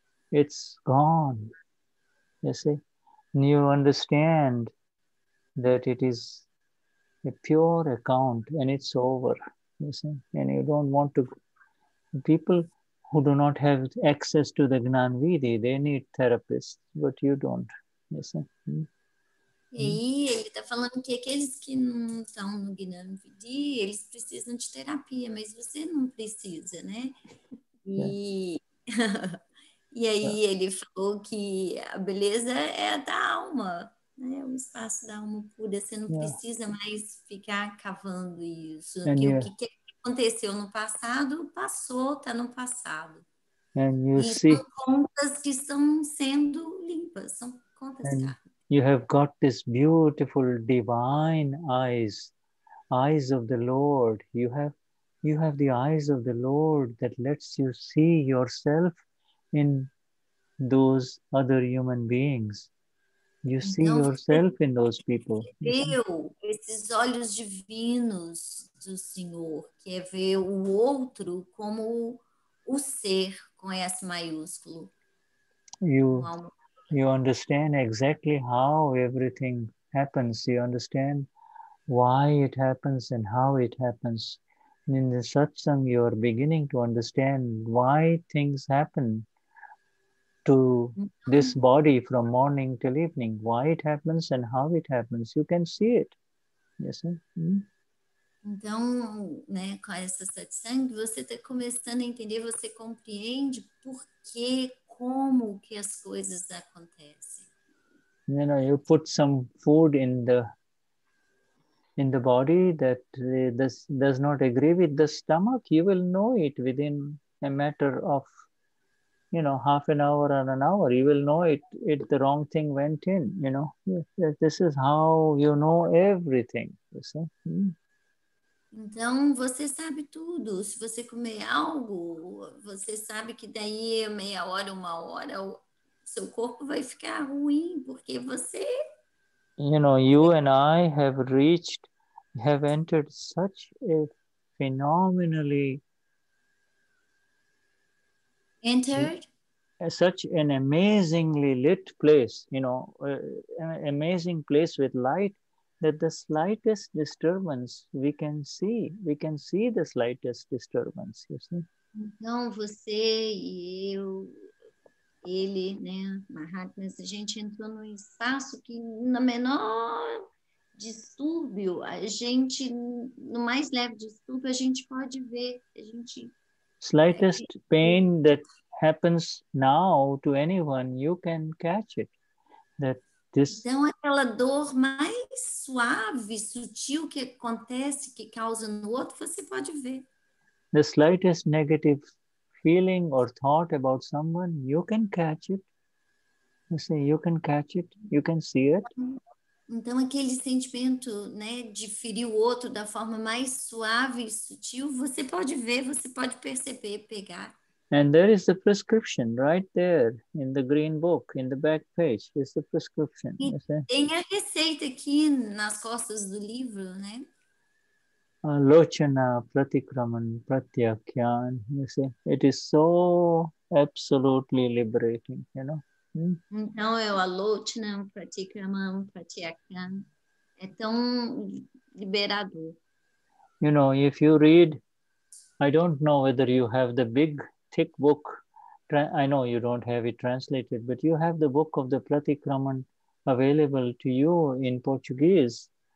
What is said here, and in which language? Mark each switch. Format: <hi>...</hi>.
<en>It's gone, you see. And you understand that it is a pure account and it's over. You see, and you don't want to. People who do not have access to the Gnanvidhi, they need therapists, but you don't. You see?</en> <pt>E aí, ele está falando que aqueles que não estão no Gnanvidhi, eles precisam de terapia, mas você não precisa, né? E aí, ele falou que a beleza é a da alma, né? O espaço da alma pura, você não precisa mais ficar cavando isso. And que aconteceu no passado, passou, está no passado.</pt> <en>And you</en> <pt>e</pt> <en>see,</en> <pt>são contas que estão sendo limpas, são contas.</pt> <en>And you have got this beautiful divine eyes, eyes of the Lord. You have the eyes of the Lord that lets you see yourself in those other human beings. You see</en> <pt>então,</pt> <en>yourself in those people.</en> <pt>Viu esses olhos divinos do Senhor, que é ver o outro como o ser com S maiúsculo.</pt> <en>You understand exactly how everything happens. You understand why it happens and how it happens. And in the satsang, you are beginning to understand why things happen to this body from morning till evening, why it happens and how it happens, you can see it. Yes, sir.</en> <pt>Então, né, com essa satsang, você está começando a entender, você compreende por que, como que as coisas acontecem.</pt> <en>You know, you put some food in the body that does not agree with the stomach, you will know it within a matter of, you know, half an hour or an hour, you will know it, the wrong thing went in, you know. This is how you know everything, you see.</en> <pt>Então, você sabe tudo. Se você comer algo, você sabe que daí meia hora, uma hora, seu corpo vai ficar ruim, porque você...</pt> <en>You know, you and I have entered such a phenomenally... Entered such an amazingly lit place, you know, an amazing place with light, that the slightest disturbance we can see the slightest disturbance, you see.</en> <pt>Então você e eu, ele, né, Mahatmas, a gente entrou num espaço que no menor distúrbio, a gente no mais leve distúrbio, a gente pode ver, a gente</pt> <en>slightest pain that happens now to anyone, you can catch it. That this.</en> <pt>Então, aquela dor mais suave, sutil que acontece, que causa no outro, você pode ver.</pt> <en>The slightest negative feeling or thought about someone, you can catch it. You say, you can catch it, you can see it.</en> <pt>Então, aquele sentimento, né, de ferir o outro da forma mais suave e sutil, você pode ver, você pode perceber, pegar.</pt> <en>And there is the prescription right there in the green book, in the back page. It's the prescription.</en> <pt>Tem a receita aqui nas costas do livro, né? Lochana, pratikraman, pratyakyan.</pt> <en>You see, it is so absolutely liberating, you know?</en> <pt>Então, é o alochana, pratikraman, pratyakyan. É tão liberador.</pt> <en>You know, if you read, I don't know whether you have the big thick book, I know you don't have it translated, but you have the book of the Pratikraman available to you in Portuguese.</en>